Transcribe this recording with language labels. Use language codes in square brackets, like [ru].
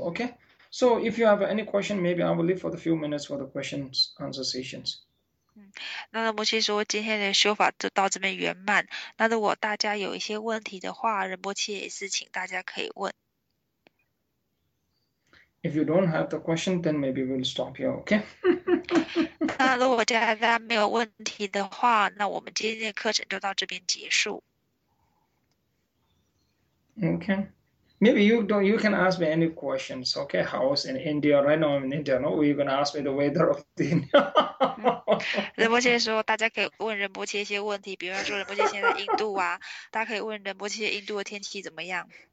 [en] Okay, so if you have any question, maybe I will leave for the few minutes for the questions answer sessions. [zh] 那摩西说今天的修法就到这边圆满。那如果大家有一些问题的话，仁波切也是请大家可以问。 [en] If you don't have the question, then maybe we'll stop here, okay? [zh] 那如果大家没有问题的话，那我们今天的课程就到这边结束。 [en] Okay. Maybe you can ask me any questions, okay? House in India, right now I'm in India, no? You can ask me the weather of [zh] 仁波切说，大家可以问仁波切一些问题，比方说仁波切现在在印度啊，大家可以问仁波切印度的天气怎么样？